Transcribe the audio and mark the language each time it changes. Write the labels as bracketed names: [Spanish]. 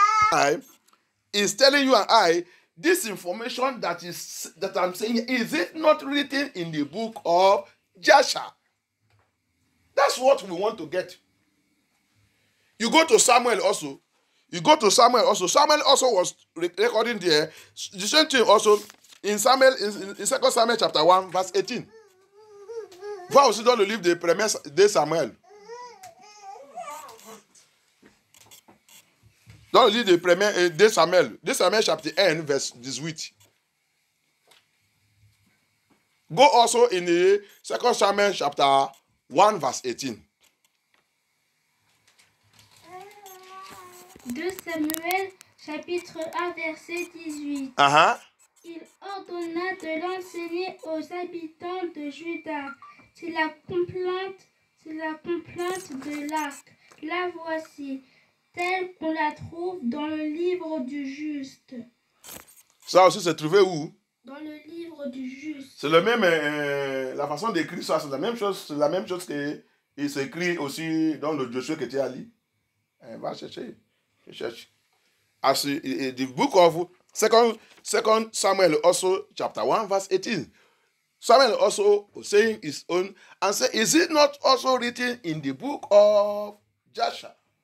[English] I is telling you and I. This information that I'm saying, is it not written in the book of Joshua? That's what we want to get. You go to Samuel also. You go to Samuel also. Samuel also was recording there. The same thing also in Samuel, in 2 Samuel chapter 1, verse 18. [French] Va aussi dans le livre de premier de Samuel. Dans le livre de premier de Samuel, chapitre 1, verse 18. [English] Go also in the 2 Samuel chapter 1, verse 18. [French] 2 Samuel chapitre 1, verset 18. Il ordonna de l'enseigner aux habitants de Juda. C'est la complainte de l'arc. La voici. Telle qu'on la trouve dans le livre du juste. Ça aussi, c'est trouvé où? Dans le livre du juste. C'est le même, la façon d'écrire ça, c'est la même chose. C'est la même chose qu'il s'écrit aussi dans le Josué que tu as lu. Va chercher. [English] As the book of 2 Samuel also chapter 1 verse 18. Samuel also saying his own and say, is it not also written in the book of Joshua?